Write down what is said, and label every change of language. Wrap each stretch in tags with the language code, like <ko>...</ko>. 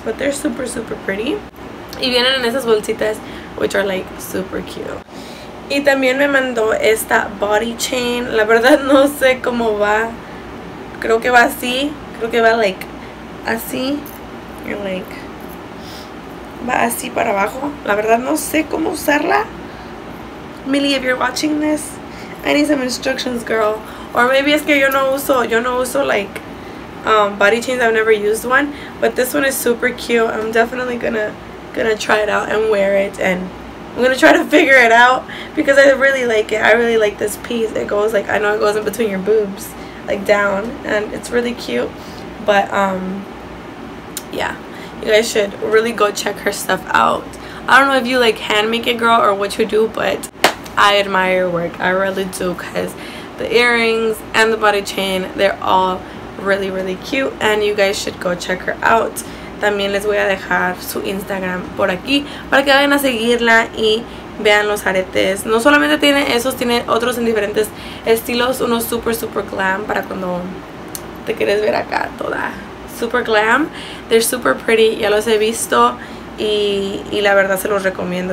<en>But they're super, super pretty.</en> <es>Y vienen en esas bolsitas,</es> <en>which are like super cute.</en> <es>Y también me mandó esta body chain. La verdad no sé cómo va. Creo que va así, creo que va like así, like va así para abajo. La verdad no sé cómo usarla.</es> <en>Millie, if you're watching this, I need some instructions, girl. Or maybe</en> <es>es que yo no uso like body chains.</es> <en>I've never used one, but this one is super cute. I'm definitely gonna try it out and wear it, and I'm gonna try to figure it out because I really like it. I really like this piece. It goes like, I know it goes in between your boobs, like down, and it's really cute. But yeah, you guys should really go check her stuff out. I don't know if you like hand make it, girl, or what you do, but I admire your work. I really do, because the earrings and the body chain, they're all really really cute, and you guys should go check her out.</en> <es>También les voy a dejar su Instagram por aquí para que vayan a seguirla y vean los aretes. No solamente tiene esos, tiene otros en diferentes estilos. Uno super super glam, para cuando te quieres ver acá toda super glam.</es> <en>They're super pretty,</en> <es>ya los he visto, y la verdad se los recomiendo.</es>